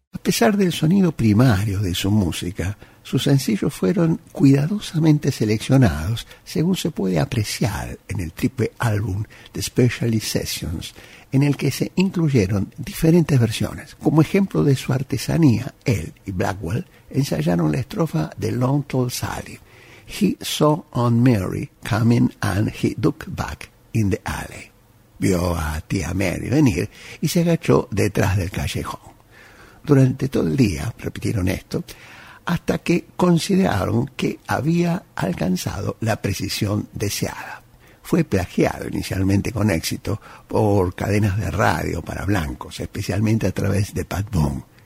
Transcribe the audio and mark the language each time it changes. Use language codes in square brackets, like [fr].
[es] pesar del sonido primario de su música, sus sencillos fueron cuidadosamente seleccionados, según se puede apreciar en el triple álbum The Specialty Sessions, en el que se incluyeron diferentes versiones. Como ejemplo de su artesanía, él y Blackwell ensayaron la estrofa de Long Tall Sally. [en] He saw Aunt Mary coming and he looked back in the alley. [es] Vio a tía Mary venir y se agachó detrás del callejón. Durante todo el día repitieron esto, hasta que consideraron que había alcanzado la precisión deseada. Fue plagiado inicialmente con éxito por cadenas de radio para blancos, especialmente a través de Pat Boone.